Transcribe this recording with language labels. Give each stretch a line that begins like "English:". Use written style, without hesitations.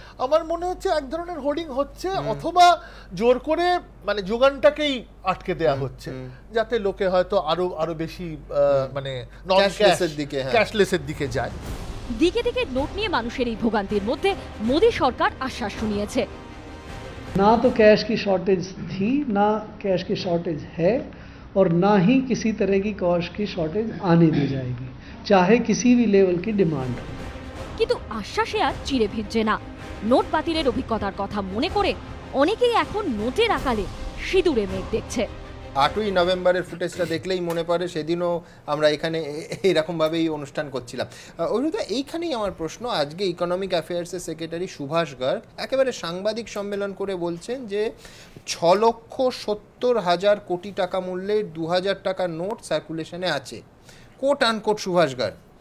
Bangla: আমার মনে হচ্ছে এক ধরনের হোর্ডিং হচ্ছে, অথবা জোর করে মানে যোগানটাকেই আটকে দেয়া হচ্ছে, যাতে লোকে হয়তো আরো আরো বেশি মানে নন ক্যাশলেসের দিকে, ক্যাশলেসের দিকে যায়। দিকে দিকে নোট নিয়ে মানুষের এই ভোগান্তির মধ্যে মোদি সরকার আশ্বাস শুনিয়েছে,
Hindi: না তো ক্যাশ কি শর্টেজ থি, না ক্যাশ কি শর্টেজ হ্যায়, और ना ही किसी तरह की कॉश की शॉर्टेज आने दी जाएगी, चाहे किसी भी लेवल की डिमांड हो।
Bangla: কিন্তু আশ্বাসে আর চিড়ে ভিজে না, নোট বাতিলের অভিজ্ঞতার কথা মনে করে অনেকেই এখন নোটের আকালে সিঁদুরে মেঘ দেখছে। 8ই নভেম্বরের ফুটেজটা দেখলেই মনে পড়ে সেদিনও আমরা এখানে এইরকমভাবেই অনুষ্ঠান করছিলাম। অভিনেতা, এইখানেই আমার প্রশ্ন, আজকে ইকোনমিক অ্যাফেয়ার্সের সেক্রেটারি সুভাষ গর্গ একেবারে সাংবাদিক সম্মেলন করে বলছেন যে 6,70,000 কোটি টাকা মূল্যের 2,000 টাকা নোট সার্কুলেশনে আছে, কোট আনকোট সুভাষ গর্গ।